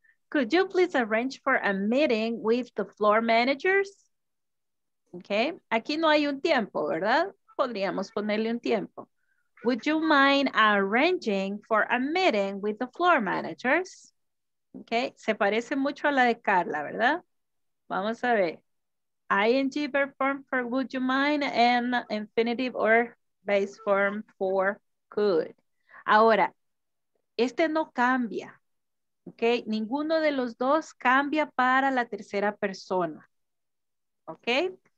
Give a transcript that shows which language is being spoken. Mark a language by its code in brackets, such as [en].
[en] Could you please arrange for a meeting with the floor managers? [es] Okay, aquí no hay un tiempo, ¿verdad? Podríamos ponerle un tiempo. [en] Would you mind arranging for a meeting with the floor managers? [es] Okay, se parece mucho a la de Carla, ¿verdad? Vamos a ver. [en] ING verb form for would you mind and infinitive or base form for could. [es] Ahora, este no cambia, ¿ok? Ninguno de los dos cambia para la tercera persona, ¿ok?